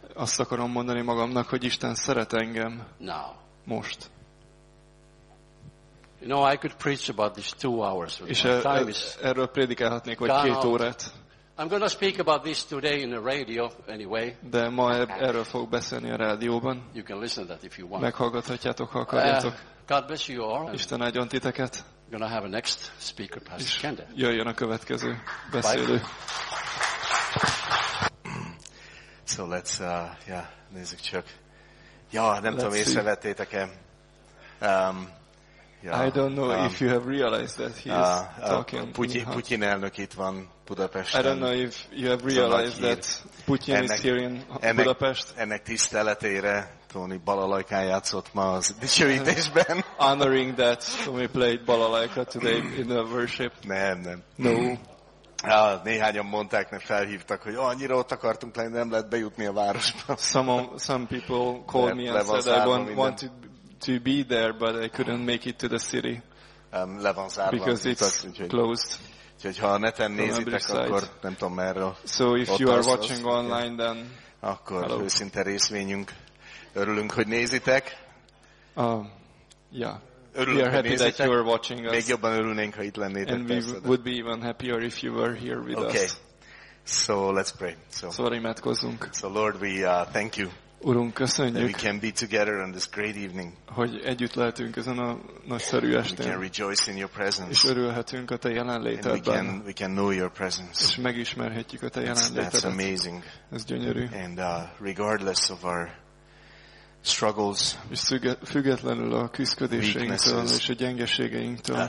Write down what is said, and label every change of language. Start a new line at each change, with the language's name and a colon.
Hungarian: Azt akarom mondani magamnak, hogy Isten szeret engem.
English: Now.
Hungarian: Most.
English: You know, I could preach about these 2 hours.
Hungarian: És erről prédikálhatnék, vagy 2 órát.
English: I'm going to speak about this today in the radio anyway.
Hungarian: De ma erről fogok beszélni a rádióban.
English: You can listen to that if you want.
Hungarian: Meghallgathatjátok, ha akarjátok.
English: God bless you all.
Hungarian: Isten áldjon titeket.
English: We're going to have a next speaker, Pastor Kende.
Hungarian: Jöjjön a következő beszélő.
English: So let's
Hungarian: nézzük csak. Ja, nem tudom, észrevettétek-e.
English: I don't know if you have realized that he is talking.
Hungarian: Putin elnök itt van Budapesten.
English: I don't know if you have realized that Putin is here in Budapest.
Hungarian: Ennek tiszteletére Tony Balalajkán játszott ma az dicsőítésben.
English: Honoring that Tony played Balalajka today in the worship.
Hungarian: Nem.
English: No.
Hungarian: Néhányan mondták, nem felhívtak, hogy annyira ott akartunk lenni, nem lehet bejutni a városba.
English: Some people called me and said I want to be there, but I couldn't make it to the city
Hungarian: le van zárva,
English: because it's closed.
Hungarian: Úgyhogy ha neten nézitek, akkor nem tudom merről.
English: So if you are watching online, then
Hungarian: akkor őszinte részvényünk. Örülünk, hogy nézitek. Örülünk,
English: we are happy that you are watching us.
Hungarian: Még jobban örülnénk, ha itt lennétek.
English: And we would be even happier if you were here with okay. us. So let's pray.
Hungarian: Szóval imádkozunk.
English: So Lord, we thank you.
Hungarian: Urunk, köszönjük,
English: that we can be together on this great evening.
Hungarian: Hogy együtt lehetünk ezen a nagyszerű estén.
English: We can rejoice in your presence.
Hungarian: És örülhetünk a te jelenlétedben.
English: And we can know your presence.
Hungarian: És megismerhetjük a te jelenlétedet.
English: That's amazing.
Hungarian: Ez gyönyörű.
English: And regardless of our struggles,
Hungarian: és függetlenül a küzdködéseinktől és a gyengeségeinktől,